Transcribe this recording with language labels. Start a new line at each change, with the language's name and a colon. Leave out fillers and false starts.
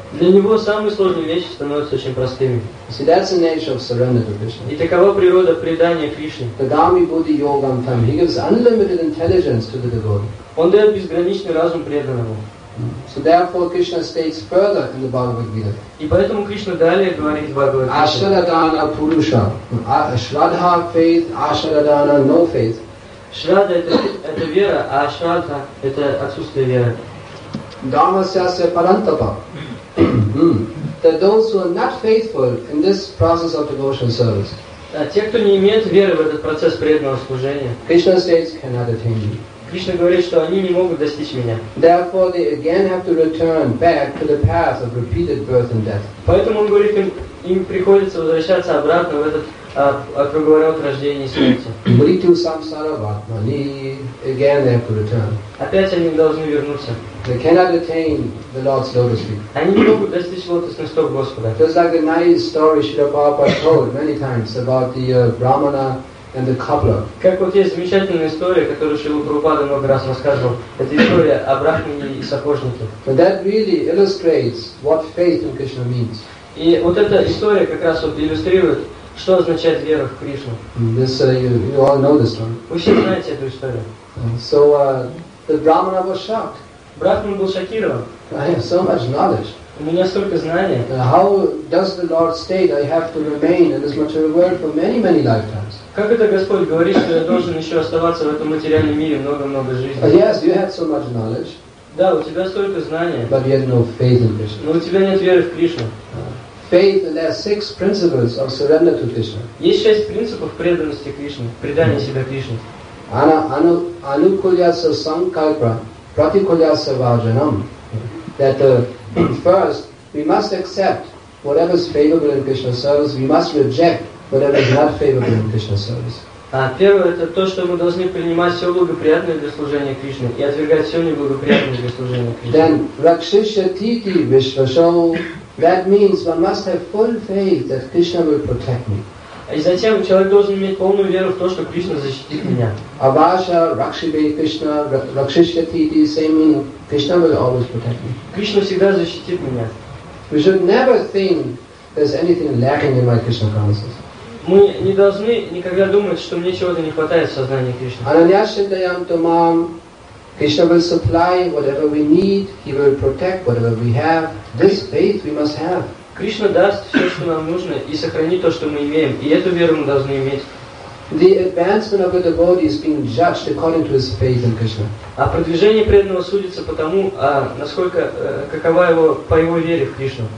Russian: Для него самые сложные вещи становятся очень простыми.
English: See, that's the nature of surrender to Krishna.
Russian: И такова природа предания Кришне. The Dhammi Bodhi Yogam Tam.
English: He gives unlimited intelligence to the devotee.
Russian: Он дает безграничный разум преданному.
English: So therefore, Krishna states further in the Bhagavad Gita.
Russian: И поэтому Кришна далее говорит в Бхагавад Гите.
Sanskrit: Ашрадана Пуруша.
English: Шрадха – faith, ашрадана – no faith.
Russian: Шрада – это вера, а ашрадха – это отсутствие веры.
Sanskrit: Дамасяся парантапа.
English: that those who are not faithful in this process of devotional service,
Russian: те, кто не имеют веры в этот процесс преданного служения,
English: Krishna says cannot attain me.
Russian: Кришна говорит, что они не могут достичь меня.
English: Therefore, they again have to return back to the path of repeated birth and death.
Russian: Поэтому он говорит, им приходится возвращаться обратно в этот круговорот рождения и смерти.
Sanskrit: Mritu samsara vatmani,
English: again they have to return.
Russian: Опять они должны вернуться.
English: They cannot attain the Lord's lotus feet.
Russian: Они не могут достичь лотосных стоп Господа.
English: Just like a nice story Srila Prabhupada told many times about the Brahmana and the cobbler.
Russian: Как вот есть замечательная история, которую Шрила Прабхупада много раз рассказывал. Это история о Брахмане и сапожнике.
English: But that really illustrates what faith in Krishna means.
Russian: И вот эта история как раз вот иллюстрирует, что означает вера в Кришну.
English: This, you all know this one.
Russian: Вы все знаете эту историю.
English: So the Brahmana was shocked.
Russian: Брахман был шокирован.
English: I have so much knowledge.
Russian: У меня столько знаний.
English: How does the Lord state I have to remain in this material world for many, many lifetimes?
Russian: Как это Господь говорит, что я должен еще оставаться в этом материальном мире много-много жизней?
English: Yes, you have so much knowledge.
Russian: Да, у тебя столько знаний.
English: But you have no faith in Krishna.
Russian: Но у тебя нет веры в Кришну.
English: Faith, there are six principles of surrender to Krishna.
Russian: Есть шесть принципов преданности Кришне, предания себя Кришне.
Sanskrit: Anukulyasa sankalpa, pratikulyasa vajanam.
English: That first, we must accept whatever is favorable in Krishna's service, we must reject whatever is not favorable in Krishna's service.
Russian: Первое, это то, что мы должны принимать все благоприятное для служения Кришне и отвергать все неблагоприятное для служения Кришне.
English: Then,
Sanskrit: rakshisha titi vishvashau,
English: that means one must have full faith that Krishna will protect me.
Russian: И затем человек должен иметь полную веру в то, что Кришна защитит меня.
Sanskrit: Avasha, rakshibe Krishna, rakshisha titi,
English: same meaning, Krishna will always protect me.
Russian: Кришна всегда защитит меня.
English: We should never think there's anything lacking in my Krishna promises.
Russian: Мы не должны никогда думать, что мне чего-то не хватает в сознании Кришны.
Sanskrit: Ananyashitayam tumam,
English: Krishna will supply whatever we need, He will protect whatever we have. This faith we must have.
Russian: Кришна даст все, что нам нужно, и сохранит то, что мы имеем. И эту веру мы должны иметь.
English: The advancement of a devotee is being judged according to his faith in Krishna.
Russian: А продвижение преданного судится по тому, насколько, какова его, по его вере в Кришну.